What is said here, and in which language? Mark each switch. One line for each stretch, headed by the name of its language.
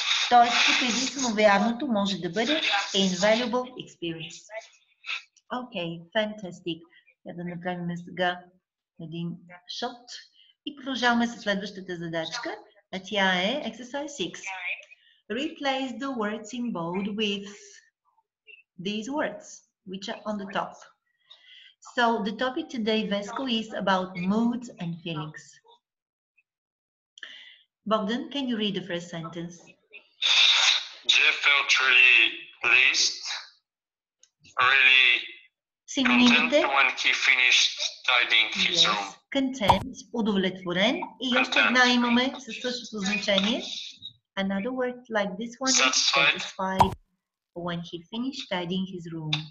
Bulgarian: Тоест, тук единствено вярното може да бъде invaluable experience. Окей, фантастик. Я да направим сега един шот. И продължаваме със следващата задачка, а тя е exercise 6.
English: Replace the words in bold with these words, which are on the top. So, the topic today, Vesco, is about moods and feelings. Bogdan, can you read the first sentence? Jeff felt really pleased, really content when he finished tidying his room.
Bulgarian: Content, удовлетворен. И още една имаме със същото значение.
English: Another word like this one is satisfied when he finished tidying his room.